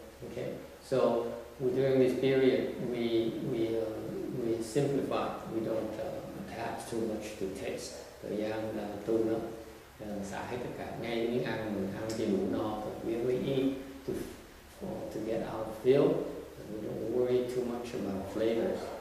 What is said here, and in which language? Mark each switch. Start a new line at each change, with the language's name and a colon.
English: Okay, so during this period we simplify, we don't attach too much to taste.
Vietnamese: Thời gian là tu nó xả hết tất cả, ngay miếng ăn mình ăn thì đủ no.
English: We eat to get our fill, and we don't worry too much about flavors.